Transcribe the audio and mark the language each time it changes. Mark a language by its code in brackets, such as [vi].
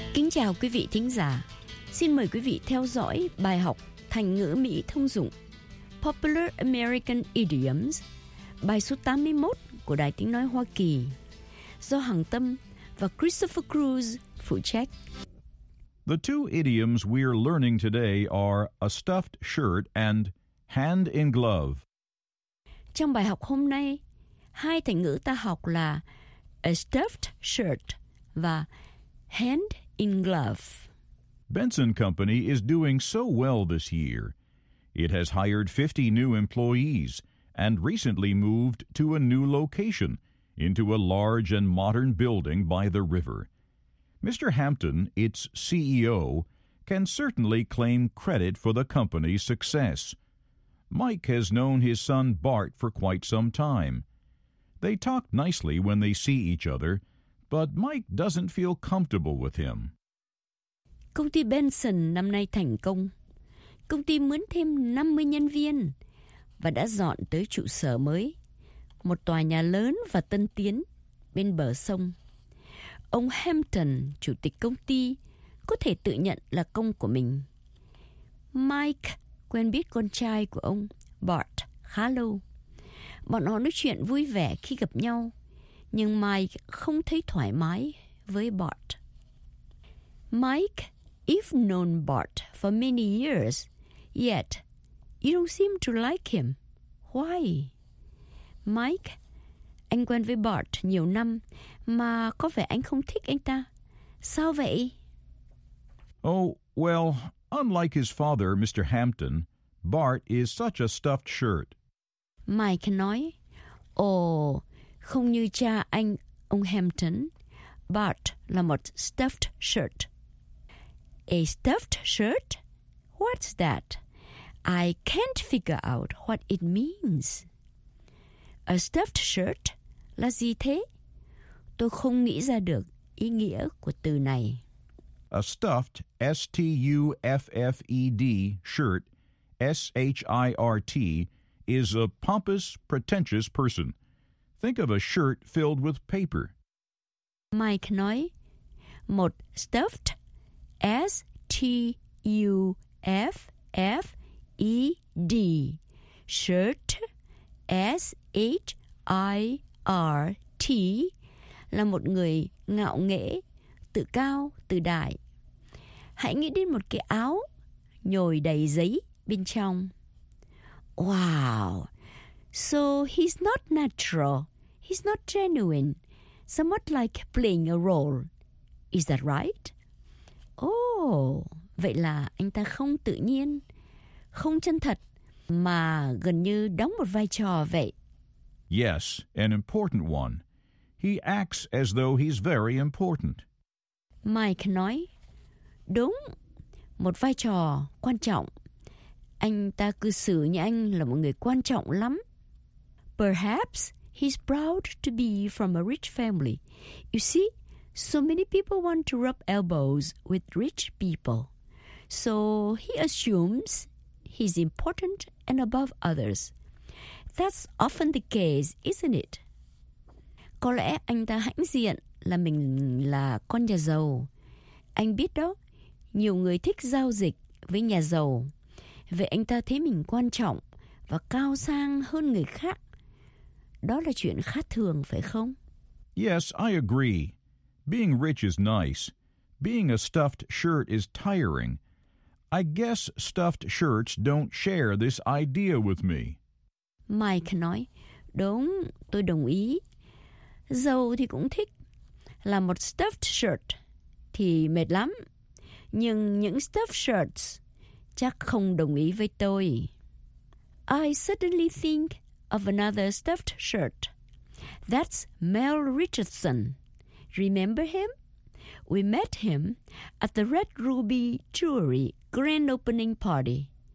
[vi] Chào quý vị thính giả. Xin mời quý vị theo dõi bài học thành ngữ Mỹ thông dụng Popular American Idioms, bài số 81 của Đài Tiếng Nói Hoa Kỳ, do Hằng Tâm và Christopher Cruz phụ trách. [en] The two idioms we're learning today are a stuffed shirt and hand in glove. [vi] Trong bài học hôm nay, hai thành ngữ ta học là a stuffed shirt và hand in glove. [en] Benson Company is doing so well this year. It has hired 50 new employees and recently moved to a new location into a large and modern building by the river. Mr. Hampton, its CEO, can certainly claim credit for the company's success. Mike has known his son Bart for quite some time. They talk nicely when they see each other, but Mike doesn't feel comfortable with him. [vi] Công ty Benson năm nay thành công. Công ty mướn thêm 50 nhân viên và đã dọn tới trụ sở mới, một tòa nhà lớn và tân tiến bên bờ sông. Ông Hampton, chủ tịch công ty, có thể tự nhận là công của mình. Mike quen biết con trai của ông, Bart, khá lâu. Bọn họ nói chuyện vui vẻ khi gặp nhau, nhưng Mike không thấy thoải mái với Bart. [en] Mike, you've known Bart for many years, yet you don't seem to like him. Why? [vi] Mike, anh quen với Bart nhiều năm, mà có vẻ anh không thích anh ta. Sao vậy? [en] Oh, well, unlike his father, Mr. Hampton, Bart is such a stuffed shirt. [vi] Mike nói, không như cha anh, ông Hampton, Bart là một stuffed shirt. [en] A stuffed shirt? What's that? I can't figure out what it means. [vi] A stuffed shirt? Là gì thế? Tôi không nghĩ ra được ý nghĩa của từ này. [en] A stuffed, S-T-U-F-F-E-D, shirt, S-H-I-R-T, is a pompous, pretentious person. Think of a shirt filled with paper. [vi] Mike nói, một stuffed S-T-U-F-F-E-D Shirt, S-H-I-R-T, là một người ngạo nghễ, tự cao, tự đại. Hãy nghĩ đến một cái áo nhồi đầy giấy bên trong. [en] Wow, so he's not natural, he's not genuine, somewhat like playing a role. Is that right? [vi] Oh, vậy là anh ta không tự nhiên, không chân thật, mà gần như đóng một vai trò vậy. [en] Yes, an important one. He acts as though he's very important. [vi] Mike nói, đúng, một vai trò quan trọng. Anh ta cư xử như anh là một người quan trọng lắm. [en] Perhaps he's proud to be from a rich family. You see, so many people want to rub elbows with rich people. So he assumes he's important and above others. That's often the case, isn't it? [vi] Có lẽ anh ta hãnh diện là mình là con nhà giàu. Anh biết đó, nhiều người thích giao dịch với nhà giàu. Vậy anh ta thấy mình quan trọng và cao sang hơn người khác. Đó là chuyện khá thường, phải không? [en] Yes, I agree. Being rich is nice. Being a stuffed shirt is tiring. I guess stuffed shirts don't share this idea with me. [vi] Mike nói, đúng, tôi đồng ý. Giàu thì cũng thích. Là một stuffed shirt thì mệt lắm. Nhưng những stuffed shirts chắc không đồng ý với tôi. [en] I suddenly think of another stuffed shirt. That's Mel Richardson. Remember him? We met him at the Red Ruby Jewelry grand opening party.